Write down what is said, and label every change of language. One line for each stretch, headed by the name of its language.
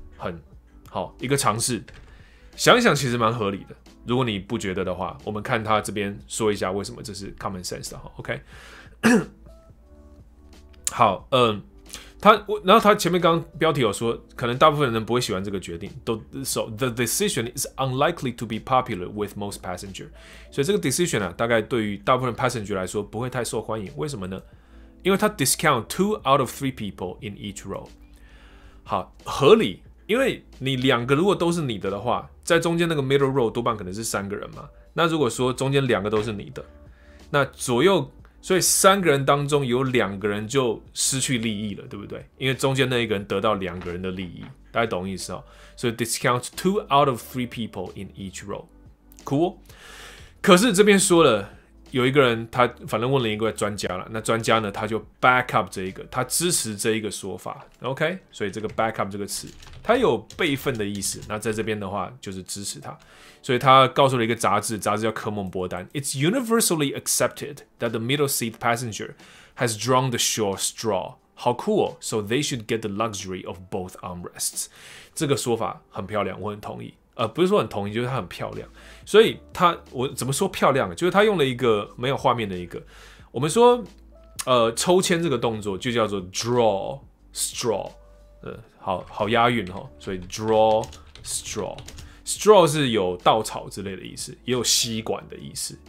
Chinese: 很好一个尝试，想一想其实蛮合理的。如果你不觉得的话，我们看他这边说一下为什么这是 common sense 的哈。 OK， 好，然后他前面刚刚标题有说，可能大部分人不会喜欢这个决定。
English: So the decision is unlikely to be popular with most passengers。
Chinese: 所以这个 decision 啊，大概对于大部分 passenger 来说不会太受欢迎。为什么呢？因为他
English: discount 2 out of 3 people in each row。
Chinese: 好，合理。因为你两个如果都是你的话，在中间那个 middle row 多半可能是三个人嘛。那如果说中间两个都是你的，那左右所以三个人当中有两个人就失去利益了，对不对？因为中间那一个人得到两个人的利益，大家懂意思哦？所以
English: discount 2 out of 3 people in each row， cool。
Chinese: 可是这边说了，有一个人他反正问了一个专家了，那专家呢他就 back up 这一个，他支持这一个说法 ，OK？所以这个
English: back up
Chinese: 这个词。他有备份的意思，那在这边的话就是支持他，所以他告诉了一个杂志，杂志叫科蒙波丹。
English: It's universally accepted that the middle seat passenger has drawn the short straw. How cool! So they should get the luxury of both armrests.
Chinese: 这个说法很漂亮，我很同意。不是说很同意，就是它很漂亮。所以他我怎么说漂亮？就是他用了一个没有画面的一个，我们说，抽签这个动作就叫做
English: draw straw。
Chinese: 好好押韵哈，所以
English: draw straw，
Chinese: straw 是有稻草之类的意思，也有吸管的意思。